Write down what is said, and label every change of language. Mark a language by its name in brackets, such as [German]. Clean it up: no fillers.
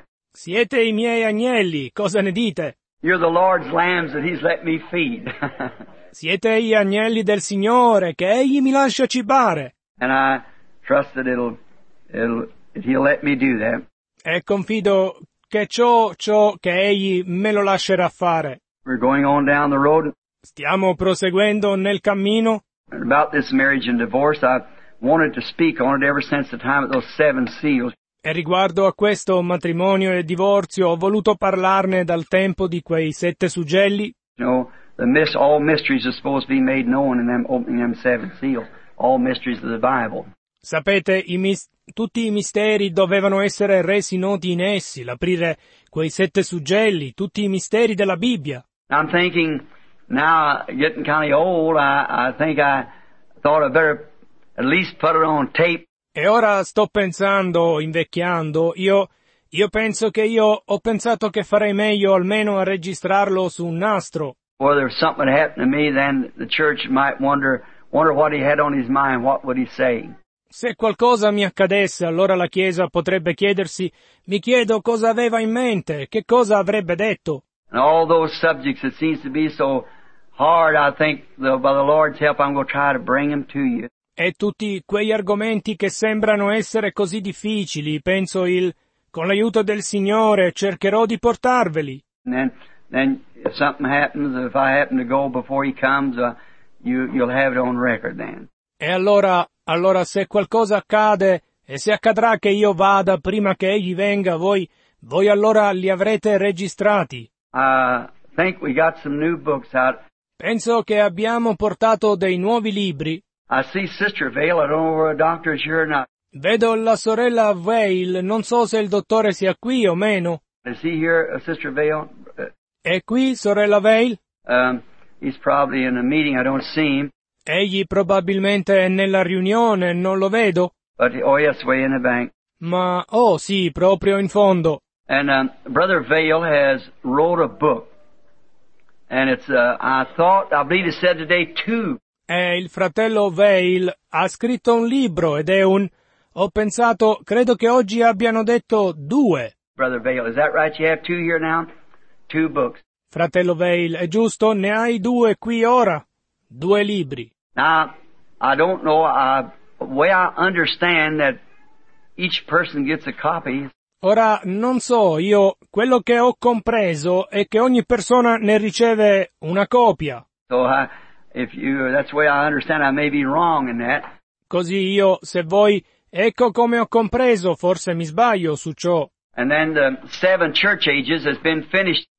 [Italian] Siete i miei agnelli, cosa ne dite? [English] You're the Lord's lambs that he's let me feed. [Italian] Siete gli agnelli del Signore che egli mi lascia cibare. [English] And I trust that it'll he'll let me do that. [Italian] E confido che ciò che egli me lo lascerà fare. [English] We're going on down the road. [Italian] Stiamo proseguendo nel cammino. [English] About this marriage and divorce, I wanted to speak on it ever since the time of those 7 seals. [Italian] E riguardo a questo matrimonio e divorzio, ho voluto parlarne dal tempo di quei 7 suggelli. [English] You know, all mysteries are supposed to be made known in them opening them 7 seals. All mysteries of the Bible. [Italian] Sapete, tutti i misteri dovevano essere resi noti in essi, l'aprire quei 7 suggelli, tutti i misteri della Bibbia. [English] I'm thinking, now getting kind of old, I think I thought I better at least put it on tape. [Italian] E ora sto pensando, invecchiando, io penso che io ho pensato che farei meglio almeno a registrarlo su un nastro. [English] Or if something happened to me, then the church might wonder what he had on his mind, what would he say. [Italian] Se qualcosa mi accadesse, allora la Chiesa potrebbe chiedersi, mi chiedo cosa aveva in mente, che cosa avrebbe detto. [English] And all those subjects that seems to be so hard, I think, by the Lord's help, I'm going to try to bring them to you. [Italian] E tutti quegli argomenti che sembrano essere così difficili, penso il, con l'aiuto del Signore, cercherò di portarveli. [English] And then if something happens, if I happen to go before he comes, you'll have it on record then. [Italian] E allora se qualcosa accade, e se accadrà che io vada prima che egli venga, voi allora li avrete registrati. [English] Think we got some new books out. [Italian] Penso che abbiamo portato dei nuovi libri. [English] I see Sister Vail, I don't know where a doctor is here or not. [Italian] Vedo la sorella Vail, non so se il dottore sia qui o meno. [English] Is he here, Sister Vail? [Italian] È qui, sorella Vail? [English] He's probably in a meeting, I don't see him. [Italian] Egli probabilmente è nella riunione, non lo vedo. [English] But, oh yes, way in the bank. [Italian] Ma, oh sì, proprio in fondo. [English] And Brother Vail has wrote a book. And it's, I believe he said today, two. [Italian] E il fratello Vail ha scritto un libro ed è un, ho pensato, credo che oggi abbiano detto due. [English] Brother Vail, is that right? You have two here now? Two books. [Italian] Fratello Vail, è giusto? Ne hai due qui ora? Due libri. [English] Now, I don't know, the way I understand that each person gets a copy. [Italian] Ora, non so, io, quello che ho compreso è che ogni persona ne riceve una copia. [English] So, that's the way I understand, I may be wrong in that. [Italian] Così io, se voi, ecco come ho compreso, forse mi sbaglio su ciò. [English] And then the seven church ages has been finished.